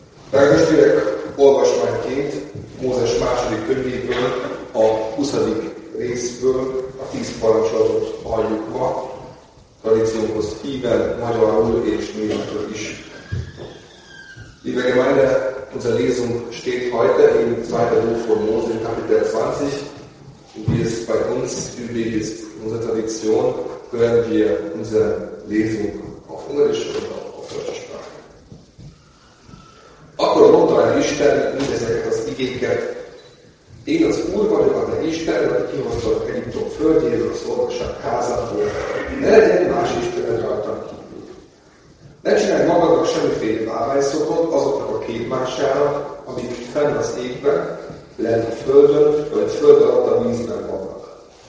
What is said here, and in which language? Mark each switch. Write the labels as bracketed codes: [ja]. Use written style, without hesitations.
[hu] Drágos gyerek, olvasmányként Mózes második könyvéből, a 20. részből a 10 parancsolatot halljuk ma, tradíciónkhoz híven, magyarul és németül is. [de] Liebe Gemeinde, unser Lesung steht heute im 2. Buch von Mose, in Kapitel 20. Und wie es bei uns üblich ist, in unserer Tradition, hören wir unsere Lesung auf Englisch und auch auf Deutsch. [hu] Akkor mondta el Isten mindezeket az igéket. Én az Úr vagyok, a te Isten, aki kihoztad Egyiptom földjéről, a szolgaság házából. Ne legyen más Istened rajtam kívül. Ne csinálj magadnak semmiféle bárányszobrot azoknak a képmására, amik fenn az égben, lent a földön, vagy föld alatt a vízben vannak.